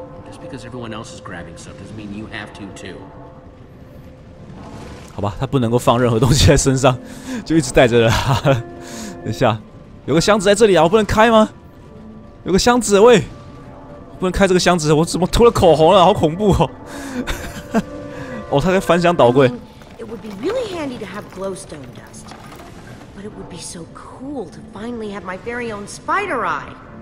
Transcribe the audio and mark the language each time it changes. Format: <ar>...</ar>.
<en>Just because everyone else is grabbing stuff doesn't mean you have to too.</en> <zh>好吧，他不能够放任何东西在身上，就一直带着了。哈哈，等一下，有个箱子在这里啊，我不能开吗？有个箱子，喂，不能开这个箱子，我怎么涂了口红了？好恐怖哦！哦，他在翻箱倒柜。</zh> <en>It would be really handy to have glowstone dust, but it would be so cool to finally have my very own spider eye.</en>